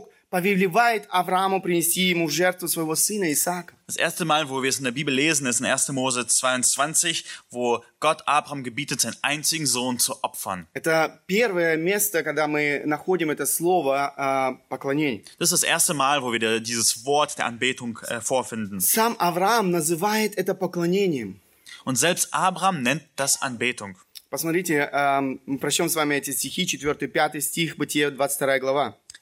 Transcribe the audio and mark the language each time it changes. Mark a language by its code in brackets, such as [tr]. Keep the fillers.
[ru] повелевает Аврааму принести ему жертву своего сына Исаака. [de] Das erste Mal, wo wir es in der Bibel lesen, ist in 1. Mose 22, wo Gott Abraham gebietet, seinen einzigen Sohn zu opfern. [ru] Это первое место, когда мы находим это слово поклонение. [de] Das ist das erste Mal, wo wir dieses Wort der Anbetung vorfinden. [ru] Сам Авраам называет это поклонением. [de] Und selbst Abraham nennt das Anbetung. [ru] Посмотрите, мы прочтем с вами эти стихи, 4-5 стих, Бытие, 22 глава.